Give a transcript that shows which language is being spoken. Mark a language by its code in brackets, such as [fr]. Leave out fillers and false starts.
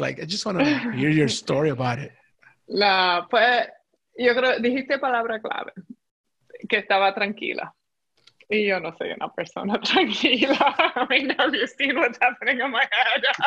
[en] Like, I just want to hear your story about it. [es] No, pues yo creo, dijiste palabra clave, que estaba tranquila. Y yo no soy una persona tranquila. [en] I mean, have you seen what's happening in my head?